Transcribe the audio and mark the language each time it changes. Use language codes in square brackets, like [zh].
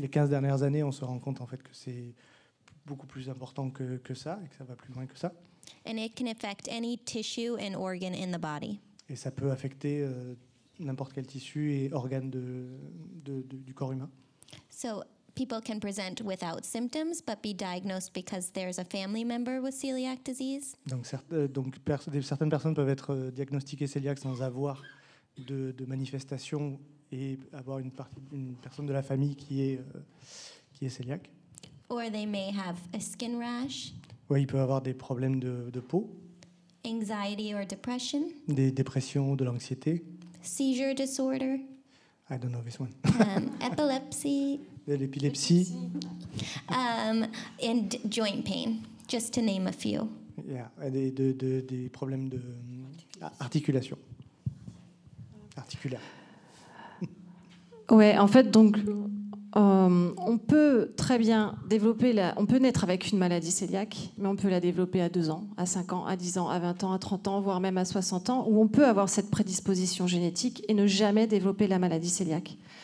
[fr] dernières années, on se rend compte en fait que c'est beaucoup plus important que ça, et que ça va plus loin que ça. [en] And it can affect any tissue and organ in the body. [fr] Et ça peut affecter n'importe quel tissu et organe du corps humain. [en] So people can present without symptoms, but be diagnosed because there's a family member with celiac disease. [fr] Certaines personnes peuvent être diagnostiquées cœliaques sans avoir de manifestations et avoir une personne de la famille qui est cœliaque. [en] Or they may have a skin rash. [fr] Oui, il peut avoir des problèmes de peau. [en] Anxiety or depression. [fr] Des dépressions ou de l'anxiété. [en] Seizure disorder. I don't know this one. Epilepsy. [fr] De l'épilepsie. [en] And joint pain, just to name a few. [fr] Yeah, des problèmes de articulation. Articulaire. Ouais, en fait, donc. On peut très bien développer on peut naître avec une maladie cœliaque, mais on peut la développer à 2 ans, à 5 ans, à 10 ans, à 20 ans, à 30 ans, voire même à 60 ans, où on peut avoir cette prédisposition génétique et ne jamais développer la maladie cœliaque.